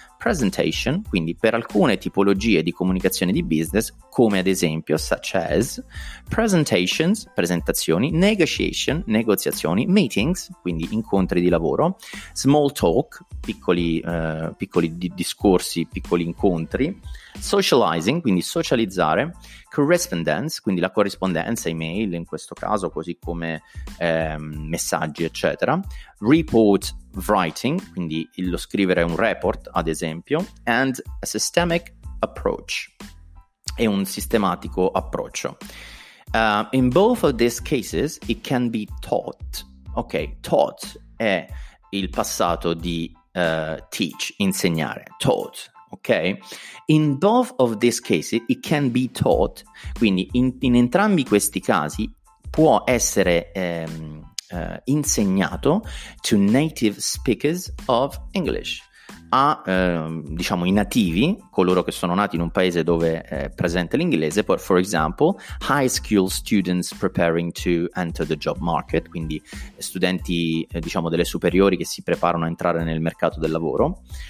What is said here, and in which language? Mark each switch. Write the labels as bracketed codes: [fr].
[it] presentation, quindi per alcune tipologie di comunicazione di business, come ad esempio [en] such as presentations, [it] presentazioni, negotiation, negoziazioni, meetings, quindi incontri di lavoro, small talk, piccoli discorsi, piccoli incontri, socializing, quindi socializzare, correspondence, quindi la corrispondenza, email in questo caso, così come messaggi, eccetera, report writing, quindi lo scrivere un report, ad esempio, [en] and a systemic approach, [it] e un sistematico approccio. [en] In both of these cases, it can be taught. [it] Ok, taught è il passato di teach, insegnare, taught. Ok, [en] in both of these cases it can be taught, [it] quindi in entrambi questi casi può essere insegnato [en] to native speakers of English, [it] a diciamo i nativi, coloro che sono nati in un paese dove è presente l'inglese, [en] for example high school students preparing to enter the job market, [it] quindi studenti diciamo delle superiori che si preparano a entrare nel mercato del lavoro.